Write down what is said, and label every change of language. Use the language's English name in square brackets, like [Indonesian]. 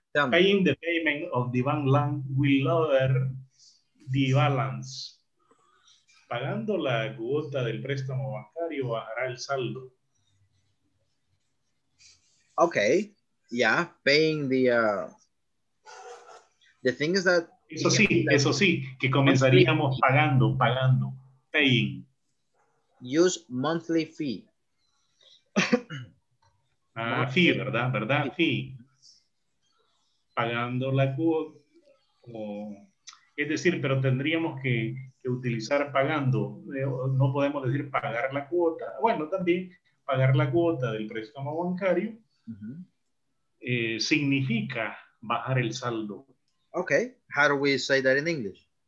[English] Paying the payment of the bank loan will lower the balance. [Spanish] Pagando la cuota del préstamo bancario bajará el saldo. [English] Okay. Yeah. Paying the thing is that. [Spanish] Eso sí, eso sí, que comenzaríamos pagando, paying. [English] Use monthly fee. [Spanish] Ah, fee, ¿verdad? Fee. Pagando la cuota. Es decir, pero tendríamos que utilizar pagando. No podemos decir pagar la cuota. Bueno, también pagar la cuota del préstamo bancario significa bajar el saldo. [English] Okay, how do we say that in English?